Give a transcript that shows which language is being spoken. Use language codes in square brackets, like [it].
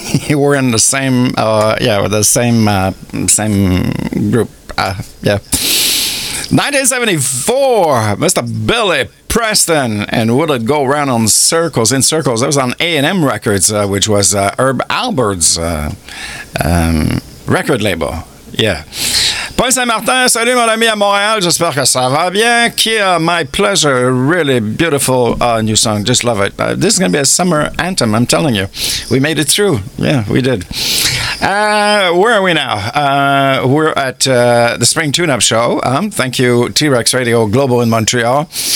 [en] We're in the same, same group. 1974, Mr. Billy Preston, and Would It Go Round on Circles, in Circles. That was on A&M Records, which was Herb Albert's record label. Yeah. [fr] Paul Saint-Martin, salut mon ami à Montréal, j'espère que ça va bien. [en] Kia, my pleasure, really beautiful new song, just love it. This is going to be a summer anthem, I'm telling you. We made it through. Yeah, we did. Where are we now? We're at the Spring Tune-Up Show. Thank you, T-Rex Radio Global in Montreal.